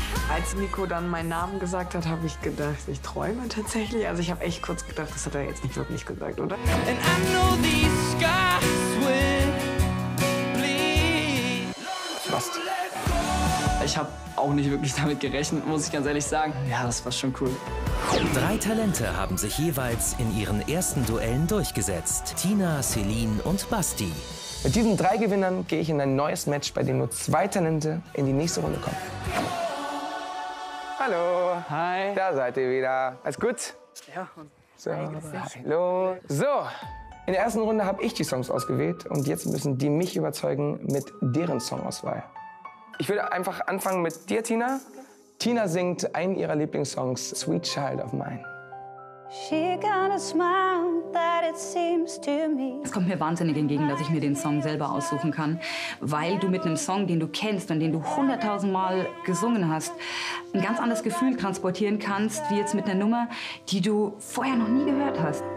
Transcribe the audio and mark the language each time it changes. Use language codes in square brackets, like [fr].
[de] Als Nico dann meinen Namen gesagt hat, habe ich gedacht, ich träume tatsächlich. Also ich habe echt kurz gedacht, das hat er jetzt nicht wirklich gesagt, oder? [en] And I know these scars will bleed. [de] Ich habe auch nicht wirklich damit gerechnet, muss ich ganz ehrlich sagen. Ja, das war schon cool. 3 Talente haben sich jeweils in ihren ersten Duellen durchgesetzt. Tina, Celine und Basti. Mit diesen 3 Gewinnern gehe ich in ein neues Match, bei dem nur 2 Talente in die nächste Runde kommen. Hallo. Hi. Da seid ihr wieder. Alles gut? Ja. So. Hallo. So. In der ersten Runde habe ich die Songs ausgewählt und jetzt müssen die mich überzeugen mit deren Songauswahl. Ich würde einfach anfangen mit dir, Tina. Okay. Tina singt einen ihrer Lieblingssongs, Sweet Child of Mine. [en] She got a smile that it seems to me. [de] Es kommt mir wahnsinnig entgegen, dass ich mir den Song selber aussuchen kann, weil du mit einem Song, den du kennst und den du 100.000 Mal gesungen hast, ein ganz anderes Gefühl transportieren kannst, wie jetzt mit einer Nummer, die du vorher noch nie gehört hast.